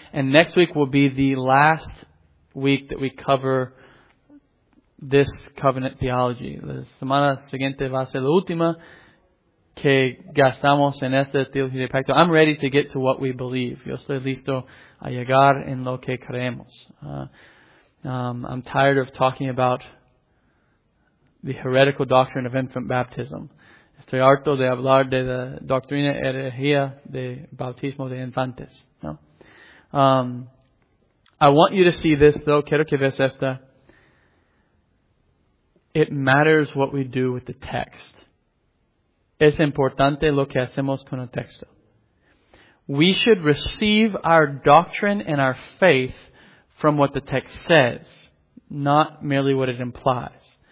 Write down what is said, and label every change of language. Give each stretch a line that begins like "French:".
English: And next week will be the last week that we cover this covenant theology.
Spanish: La semana siguiente va a ser la última que gastamos en esta teología de pacto.
English: I'm ready to get to what we believe.
Spanish: Yo estoy listo a llegar en lo que creemos.
English: I'm tired of talking about the heretical doctrine of infant baptism.
Spanish: Estoy harto de hablar de la doctrina herejía de bautismo de infantes.
English: No? I want you to see this, though.
Spanish: Quiero que veas esta.
English: It matters what we do with the text.
Spanish: Es importante lo que hacemos con el texto.
English: We should receive our doctrine and our faith from what the text says, not merely what it implies.